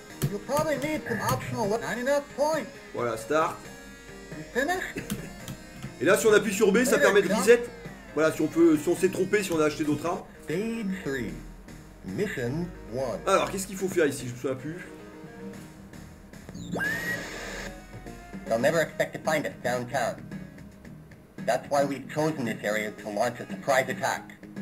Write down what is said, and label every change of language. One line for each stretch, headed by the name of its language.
English: You'll probably need some optional 99 points.
French: Voilà, start.
English: You finish?
French: Et là si on appuie sur B, ça permet de reset. Voilà, si on peut. Si on s'est trompé, si on a acheté d'autres armes.
English: Stage 3. Mission 1.
French: Alors qu'est-ce qu'il faut faire ici? Je me souviens plus.
English: They'll never expect to find us downtown. That's why we've chosen this area to launch a surprise attack.